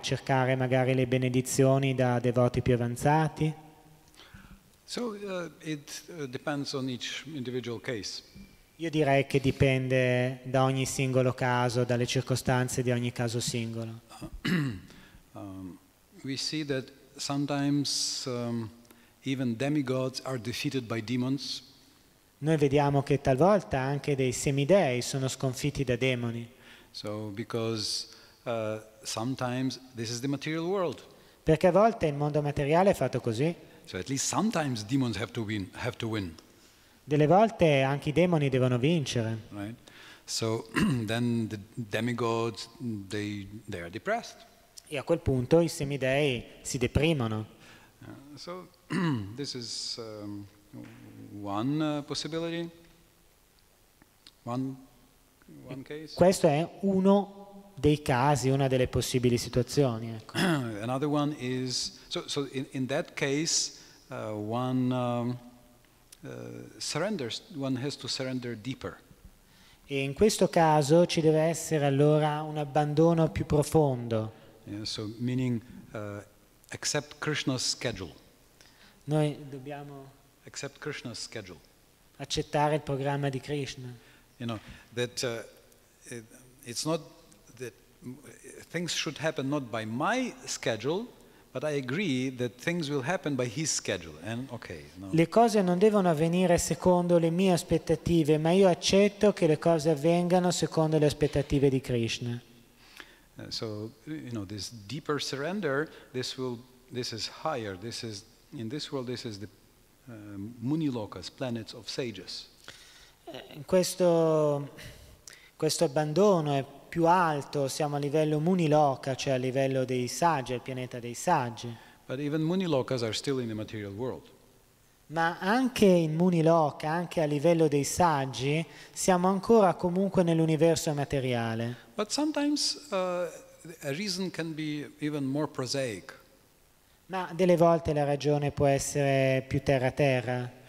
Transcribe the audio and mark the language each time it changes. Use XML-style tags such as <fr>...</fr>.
<it>Cercare magari le benedizioni da devoti più avanzati?</it> <en>So it depends on each individual case.</en> <it>Io direi che dipende da ogni singolo caso, dalle circostanze di ogni caso singolo.</it> <en>We see that sometimes even demigods are defeated by demons.</en> <it>Noi vediamo che talvolta anche dei semidei sono sconfitti da demoni.</it> <en>So because sometimes this is the material world.</en> <it>Perché a volte il mondo materiale è fatto così.</it> <en>So at least sometimes demons have to win.</en> <it>Delle volte anche i demoni devono vincere.</it> <en>Right. So then the demigods they are depressed.</en> <it>E a quel punto i semidei si deprimono.</it> <en>So this is one possibility, one case.</en> <it>Questo è uno dei casi, una delle possibili situazioni. Ecco.</it> <en>Another one is so in that case one surrenders. One has to surrender deeper.</en> <it>E in questo caso ci deve essere allora un abbandono più profondo.</it> <en>Yeah, so meaning accept Krishna's schedule.</en> <it>Noi dobbiamo</it> <en>accept Krishna's schedule.</en> <it>Accettare il programma di Krishna.</it> <en>You know that it's not that things should happen not by my schedule, but I agree that things will happen by his schedule. And okay. No.</en> <it>Le cose non devono avvenire secondo le mie aspettative, ma io accetto che le cose avvengano secondo le aspettative di Krishna.</it> <en>So you know this deeper surrender. This is higher. This is in this world. This is the Munilokas, planets of sages.</en> <it>Questo abbandono è più alto. Siamo a livello Muniloka, cioè a livello dei saggi, il pianeta dei saggi.</it> <en>But even Munilokas are still in the material world.</en> <it>Ma anche in Muniloka, anche a livello dei saggi, siamo ancora comunque nell'universo materiale.</it> <en>But sometimes a reason can be even more prosaic.</en> <it>Ma delle volte la ragione può essere più terra terra.</it>